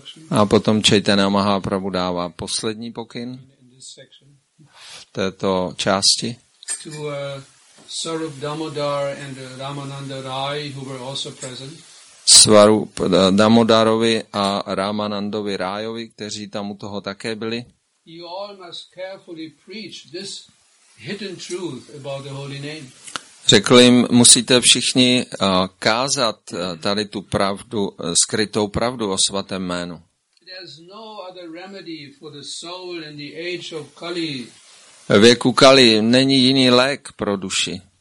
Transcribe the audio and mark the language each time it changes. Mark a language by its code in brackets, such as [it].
[cs] A potom Chaitanya Mahaprabhu dává poslední pokyn v této části. [en] Swarup Damodar and Ramananda Rai, who were also present. [cs] Swarup Damodarovi a Ramanandovi Rájovi, kteří tam u toho také byli. [en] You all must carefully preach this hidden truth about the holy name. [cs] Řekl jim, musíte všichni kázat tady tu pravdu, skrytou pravdu o svatém jménu. [en] There's no other remedy for the soul in the age of Kali. [cs] Věku Kali není jiný lék pro duši.